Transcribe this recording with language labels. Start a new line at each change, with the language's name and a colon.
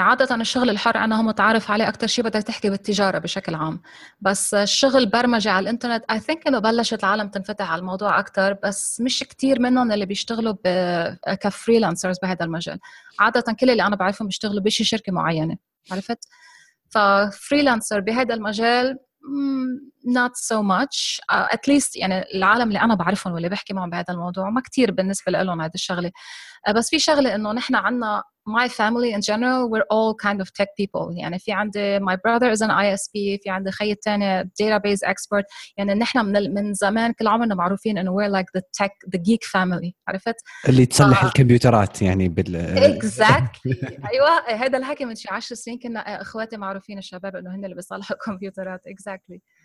Arabic: عادة الشغل الحر أنا هم متعارف عليه أكتر شيء بدك تحكي بالتجارة بشكل عام, بس الشغل برمجة على الانترنت
English: I think
Arabic: إنه بلشت العالم تنفتح على الموضوع أكتر, بس مش كتير منهم اللي بيشتغلوا كفريلانسرز بهذا المجال. عادة كل اللي أنا بعرفهم بيشتغلوا بشي شركة معينة عرفت, ففريلانسر بهذا المجال
English: not so much at least
Arabic: يعني العالم اللي أنا بعرفهم واللي بحكي معهم بهذا الموضوع ما كتير بالنسبة لهم هذا الشغلة. بس في شغلة إنه نحنا عنا
English: my family in general we're all kind of tech people يعني.
Arabic: في عندي
English: my brother is an ISP,
Arabic: في عندي خي التاني database expert, يعني نحنا من زمان كل عمرنا معروفين إنه
English: we're like the tech the geek family
Arabic: عرفت, اللي تصلح الكمبيوترات يعني بال
English: exactly.
Arabic: أيوة هذا الحكي من شي 10 سنين كنا إخواتي معروفين الشباب إنه هن اللي بيصلحوا الكمبيوترات exactly.